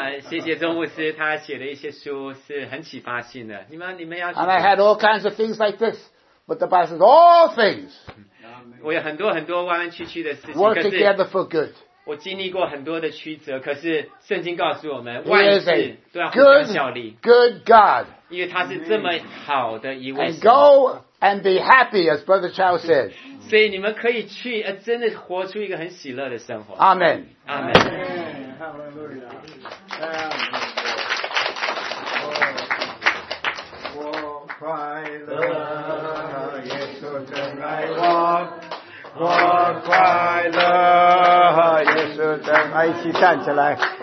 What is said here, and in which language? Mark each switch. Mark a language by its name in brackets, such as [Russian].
[Chinese] 谢谢钟牧师，他写的一些书是很启发性的。你们要。 [English] And I had all kinds of things like this, but the Bible says all things. [Chinese] 我有很多很多弯弯曲曲的事情。 [English] Work together for good. [Chinese] 我经历过很多的曲折，可是圣经告诉我们，万事都要互相效力。 [English] Good God， [Chinese] 因为他是这么好的一位。 [English] And go and be happy, as Brother Chow said. [Chinese] 所以你们可以去，真的活出一个很喜乐的生活。 [English] Amen. Amen. Hallelujah. [Chinese] 我快乐，耶稣真爱，一起站起来。